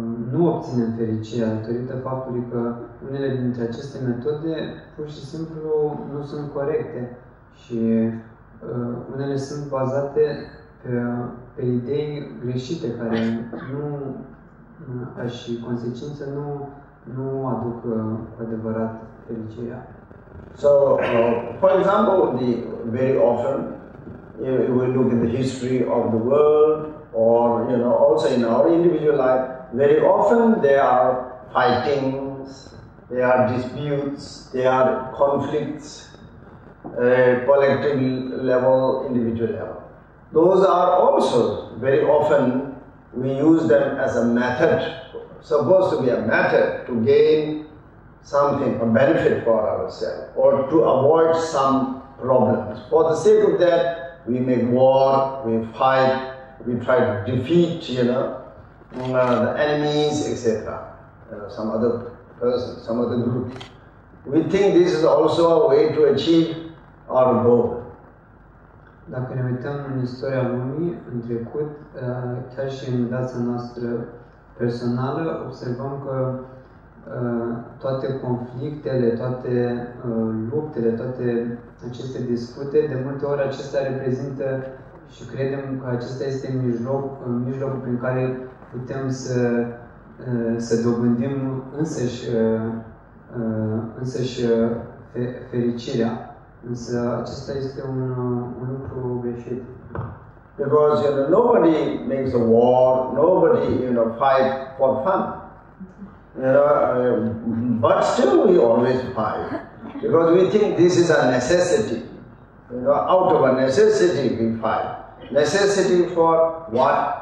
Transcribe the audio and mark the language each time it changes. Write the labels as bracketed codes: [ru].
[ro] nu obținem fericirea datorită faptului că unele dintre aceste metode pur și simplu nu sunt corecte și unele sunt bazate pe idei greșite care nu, și consecință nu aduc cu adevărat fericirea. [en] So, for example, very often, you know, we look in the history of the world, or, you know, also in our individual life, very often there are fightings, there are disputes, there are conflicts, collective level, individual level. Those are also, very often, we use them as a method, supposed to be a method to gain something, a benefit for ourselves, or to avoid some problems. For the sake of that, we make war, we fight, we try to defeat, you know, the enemies, etc. Some other person, some other group. We think this is also a way to achieve our goal. [ro] Dacă ne uităm în istoria lumii, în trecut, chiar și în viața noastră personală, observăm că toate conflictele, toate luptele, toate aceste dispute, de multe ori acestea reprezintă și credem că acesta este mijlocul prin care putem să dobândim însăși fericirea. Însă acesta este un lucru greșit. [en] Because you know, nobody makes a war, nobody you know fight for fun. You know, but still we always fight because we think this is a necessity. You know, out of a necessity we fight. Necessity for what?